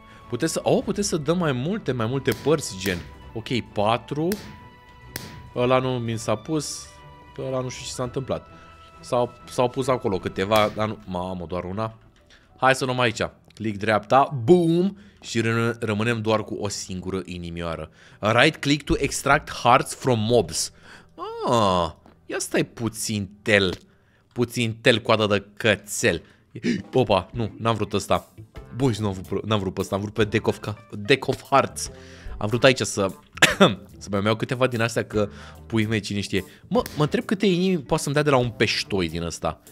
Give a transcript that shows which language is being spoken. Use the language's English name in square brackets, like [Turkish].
[Romanian] Puteți să dăm mai multe părți, gen. Ok, 4. Ăla nu mi s-a pus. Ăla nu știu ce s-a întâmplat. S-au pus acolo câteva, dar nu, mamă, doar una. Hai să luăm aici. Click dreapta, boom, și rămânem doar cu o singură inimioară. [English] Right click to extract hearts from mobs. [Romanian] Ah, ia stai puțin tel. Puțin tel, coadă de cățel. Opa, nu, n-am vrut ăsta. Bun, și n-am vrut pe ăsta, am vrut pe Deck of Hearts. Am vrut aici să să mai iau câteva din astea, că puii mei, cine știe. Mă întreb câte inimi poate să-mi dea de la un peștoi din ăsta.